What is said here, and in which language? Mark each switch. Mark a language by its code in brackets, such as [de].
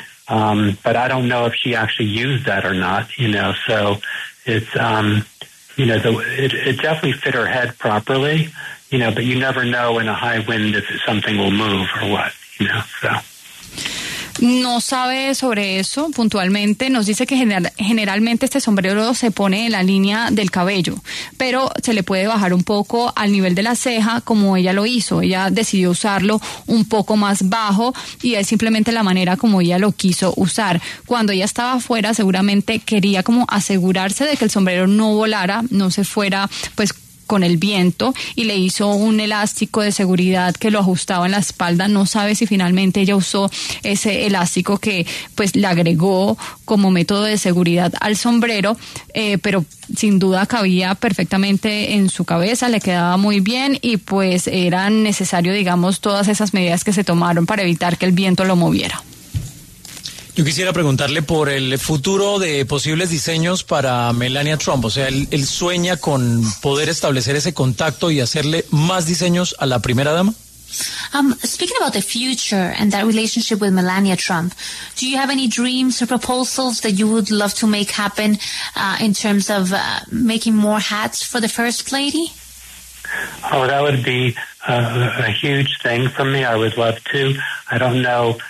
[en] But I don't know if she actually used that or not, So it's, it definitely fit her head properly, but you never know in a high wind if something will move or what, so. [es] No sabe sobre eso puntualmente. Nos dice que generalmente este sombrero se pone en la línea del cabello, pero se le puede bajar un poco al nivel de la ceja, como ella lo hizo. Ella decidió usarlo un poco más bajo y es simplemente la manera como ella lo quiso usar. Cuando ella estaba afuera, seguramente quería como asegurarse de que el sombrero no volara, no se fuera, pues, con el viento y le hizo un elástico de seguridad que lo ajustaba en la espalda. No sabe si finalmente ella usó ese elástico que pues le agregó como método de seguridad al sombrero, pero sin duda cabía perfectamente en su cabeza, le quedaba muy bien y pues era necesario, digamos, todas esas medidas que se tomaron para evitar que el viento lo moviera. Yo quisiera preguntarle por el futuro de posibles diseños para Melania Trump. O sea, ¿él sueña con poder establecer ese contacto y hacerle más diseños a la primera dama? [en] Speaking about the future and that relationship with Melania Trump, do you have any dreams or proposals that you would love to make happen in terms of making more hats for the first lady? Oh, that would be a huge thing for me. I would love to. I don't know.